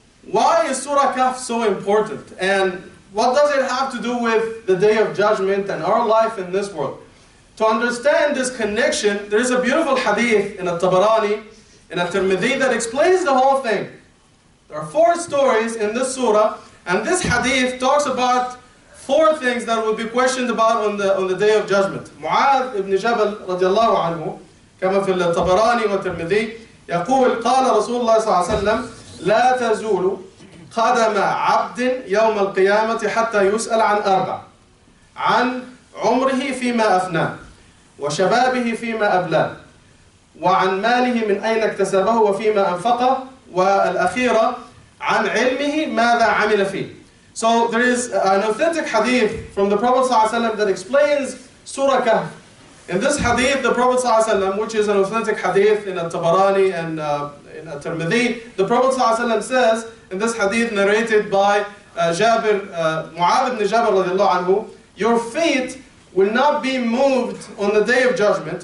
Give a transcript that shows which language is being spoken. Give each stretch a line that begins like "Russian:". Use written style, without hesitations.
English: Why is Surah Kahf so important? And what does it have to do with the Day of Judgment and our life in this world? To understand this connection, there is a beautiful hadith in At-Tabarani, in At-Tirmidhi, that explains the whole thing. There are four stories in this surah, and this hadith talks about four things that will be questioned about on the Day of Judgment.
Arabic: Mu'adh ibn Jabal radiallahu anhu, kama fi At-Tabarani wa At-Tirmidhi, yaqul qala Rasulullah sallallahu alayhi wa sallam, لا تزول قدم عبد يوم القيامة حتى يسأل عن أربع عن عمره فيما أفنى وشبابه فيما أبلى وعن ماله من أين اكتسبه وفيما أنفقه والأخيرة عن علمه ماذا عمل فيه.
English: So there is an authentic hadith from the Prophet صلى الله عليه وسلم that explains Surah Kahf. In this hadith, the Prophet صلى الله عليه وسلم, which is an authentic hadith in At-Tabarani and in At-Tirmidhi, the Prophet صلى الله عليه وسلم says, in this hadith narrated by Jabir, Mu'adh ibn Jabir radiallahu anhu, your feet will not be moved on the Day of Judgment.